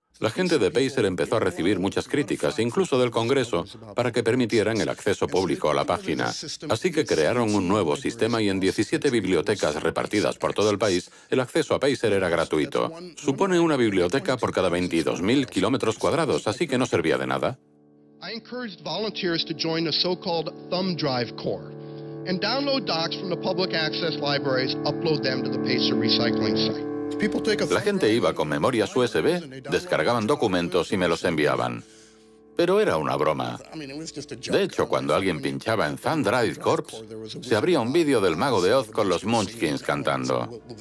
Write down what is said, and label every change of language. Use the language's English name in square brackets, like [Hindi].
[Spanish] La gente de Pacer empezó a recibir muchas críticas, incluso del Congreso, para que permitieran el acceso público a la página. Así que crearon un nuevo sistema y en 17 bibliotecas repartidas por todo el país, el acceso a Pacer era gratuito. Supone una biblioteca por cada 22.000 kilómetros cuadrados, así que no servía de nada. [English] I encouraged volunteers to join the so-called thumb drive corps and download docs from the public access libraries, upload them to the Pacer recycling site. [Spanish] La gente iba con memorias USB, descargaban documentos y me los enviaban. Pero era una broma. De hecho, cuando alguien pinchaba en Thumb Drive Corps, se abría un vídeo del Mago de Oz con los Munchkins cantando.